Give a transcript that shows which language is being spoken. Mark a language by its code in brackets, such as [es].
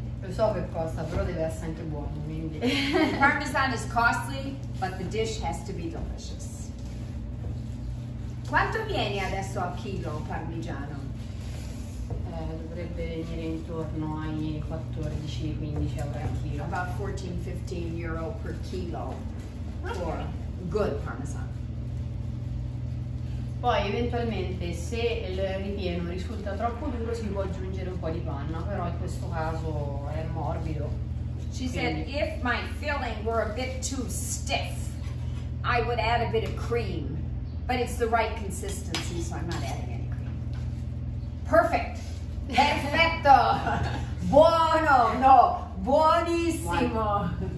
[it] So che costa, però deve essere anche buono, quindi. [en] Parmesan is costly, but the dish has to be delicious. [it] Quanto viene adesso a chilo parmigiano? Dovrebbe venire intorno ai 14-15 euro al chilo. [en] About 14-15 euro per chilo for good parmesan. [it] Poi eventualmente se il ripieno risulta troppo duro si può aggiungere un po' di panna, però in questo caso è morbido. [en] She said if my filling were a bit too stiff, I would add a bit of cream. But it's the right consistency, so I'm not adding any cream. [it] Perfect! Perfetto! Buono! No! Buonissimo!